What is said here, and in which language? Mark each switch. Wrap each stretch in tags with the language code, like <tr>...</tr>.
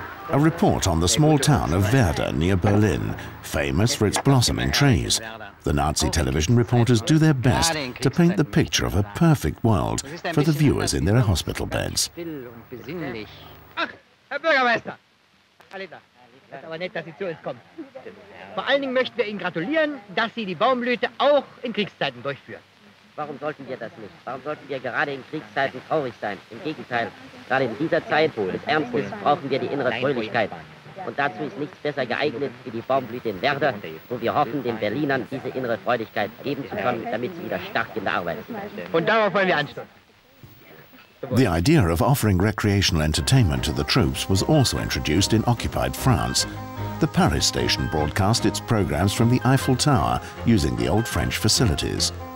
<en>A report on the small town of Werder near Berlin, famous for its blossoming trees. The Nazi television reporters do their best to paint the picture of a perfect world for the viewers in their hospital beds.</en> <de>Ach, Herr Bürgermeister! Alida, das ist aber nett, dass Sie zu uns kommen. Vor allen Dingen möchten wir Ihnen gratulieren, dass Sie die Baumblüte auch in Kriegszeiten durchführen. Warum sollten wir das nicht? Warum sollten wir gerade in Kriegszeiten traurig sein? Im Gegenteil, gerade in dieser Zeit des Ernstes brauchen wir die innere Fröhlichkeit. Und dazu ist nichts besser geeignet wie die Baumblüte in Werder, wo wir hoffen, den Berlinern diese innere Freudigkeit geben zu können, damit sie wieder stark in der Arbeit sind. Und darauf wollen wir anstoßen.</de> <en>The idea of offering recreational entertainment to the troops was also introduced in occupied France. The Paris station broadcast its programs from the Eiffel Tower using the old French facilities.</en>